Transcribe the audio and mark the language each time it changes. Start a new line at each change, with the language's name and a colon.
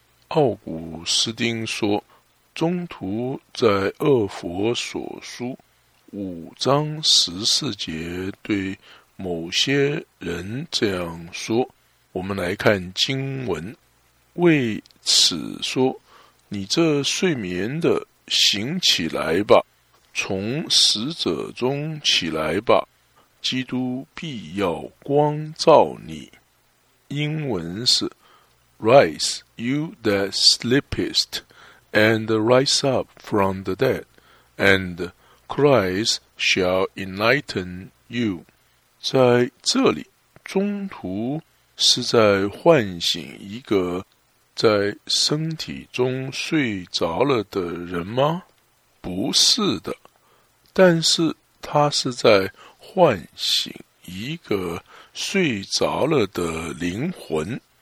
Chinese: 奥古斯丁说，中途在《厄佛所书》5:14对某些人这样说。我们来看经文，为此说，你这睡眠的，醒起来吧，从死者中起来吧，基督必要光照你。
English: 英文是 Rise, you that sleepest, and rise up from the dead, and Christ shall enlighten you.
Chinese: 在这里，中途是在唤醒一个在身体中睡着了的人吗？不是的，但是他是在唤醒一个睡着了的灵魂。